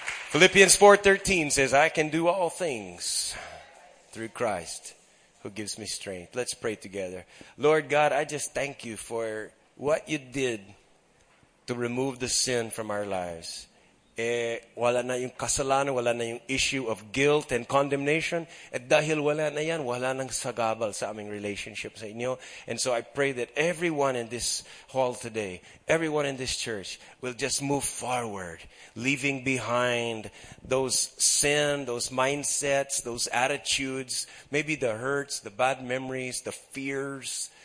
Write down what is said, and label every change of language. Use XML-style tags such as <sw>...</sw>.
<en>Philippians 4:13 says, I can do all things through Christ who gives me strength. Let's pray together. Lord God, I just thank you for what you did to remove the sin from our lives.</en> <tl>Eh, wala na yung kasalanan, wala na yung</tl> <en>issue of guilt and condemnation.</en> <tl>At dahil wala na yan, wala nang sagabal sa aming relationship sa inyo.</tl> <en>And so I pray that everyone in this hall today, everyone in this church, will just move forward, leaving behind those sin, those mindsets, those attitudes, maybe the hurts, the bad memories, the fears,</en>